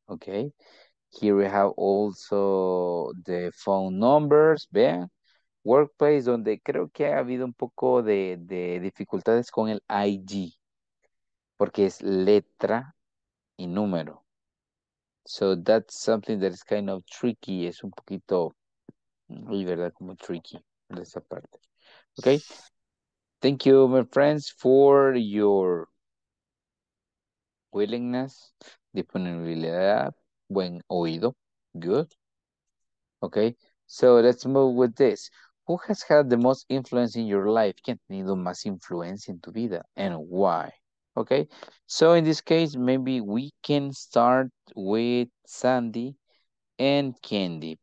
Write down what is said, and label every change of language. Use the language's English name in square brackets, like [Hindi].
[English] Okay, here we have also the phone numbers. [Spanish] Vean, workplace, donde creo que ha habido un poco de dificultades con el ID, porque es letra y número. [English] So that's something that is kind of tricky. [Spanish] Es un poquito, y verdad, como tricky de esa parte. [English] Okay. Thank you, my friends, for your willingness, [Spanish] disponibilidad, buen oído, [English] good. Okay, so let's move with this. Who has had the most influence in your life? [Spanish] ¿Quién ha tenido más influencia en tu vida? [English] And why? Okay, so in this case, maybe we can start with Sandy and Candy.